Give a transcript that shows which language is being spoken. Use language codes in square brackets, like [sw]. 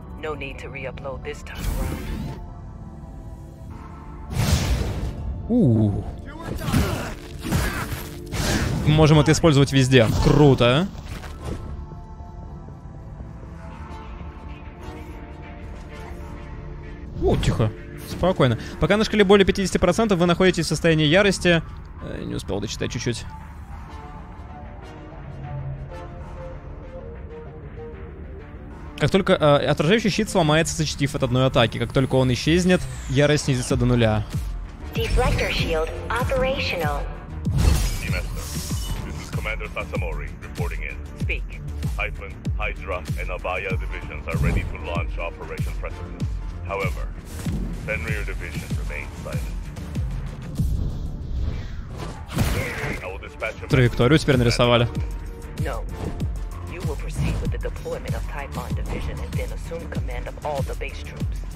[en] No need to re-upload this time around. [ru] Мы можем это использовать везде. Круто. Тихо. Спокойно. Пока на шкале более 50% вы находитесь в состоянии ярости. Не успел дочитать чуть-чуть. [en] Ghost Runner. [ru] Как только отражающий щит сломается, зачтив от одной атаки. Как только он исчезнет, ярость снизится до нуля. [en] Deflector shield operational. This is Commander Sasamori reporting in. Speak. Hyphen, Hydra, and Avaya divisions are ready to launch Operation Precipice. However, Fenrir division remains silent. [ru] Траекторию теперь нарисовали. [en] No. You will proceed with the deployment of Typhon division and then assume command of all the base troops.